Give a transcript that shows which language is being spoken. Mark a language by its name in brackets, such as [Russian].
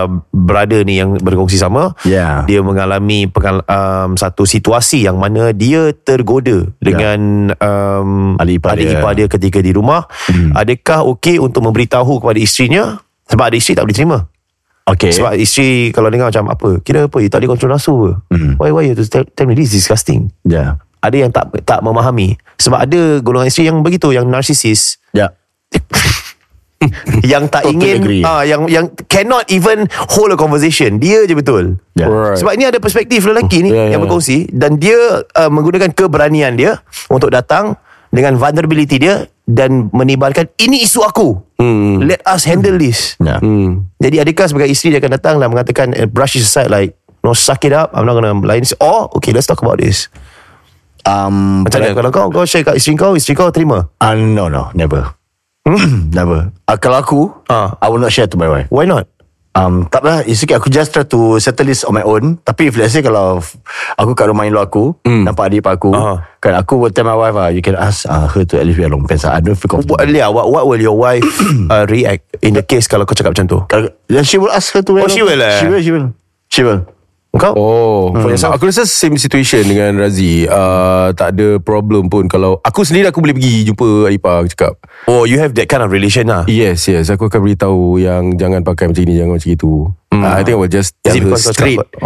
[Malay] Brother ni yang berkongsi sama, dia mengalami satu situasi yang mana dia tergoda dengan adik ipar dia ketika di rumah. Adakah okey untuk memberitahu kepada isterinya? Sebab ada isteri tak boleh terima. [English] Okay. [Malay] Sebab isteri kalau dengar macam, apa, kira apa, you tak boleh kontrol nafsu ke? [English] Why you tell me this is disgusting? [Malay] Ada yang tak memahami. Sebab ada golongan isteri yang begitu, yang narsisis. Yang tak ingin, yang [English] cannot even hold a conversation. [Malay] Dia je betul. Sebab ini ada perspektif lelaki ni yang berkongsi. Dan dia menggunakan keberanian dia untuk datang dengan vulnerability dia dan menibarkan, ini isu aku. [English] Let us handle this. [Malay] Jadi adakah sebagai isteri dia akan datang dan mengatakan, [English] brush it aside, like, no, suck it up, I'm not gonna lie this. Or okay, let's talk about this. [Malay] Macam mana kalau kau share kat isteri kau terima? [English] No, never. Never. [Malay] Kalau aku, [English] I will not share to my wife. Why not? [Malay] Tak lah, [English] it's okay. Aku just try to settle this on my own. Tapi if let's say [Malay] kalau aku kat rumah [English] in-law aku, [Malay] nampak adik pak aku, kan aku [English] will tell my wife, you can ask her to at least wear long pants. I don't feel comfortable. What will your wife react in the case [Malay] kalau kau cakap macam tu? [English] Then she will ask her to wear long pants. Oh, she will. [Malay] Kau? Aku rasa [English] same situation [Malay] dengan Razi. Tak ada problem pun. Kalau aku sendiri, aku boleh pergi jumpa Aipa cakap, [English] oh, you have that kind of relation lah. [Malay] Yes, aku akan beritahu yang jangan pakai macam ni, jangan macam itu. [English] I think I will just tell her straight.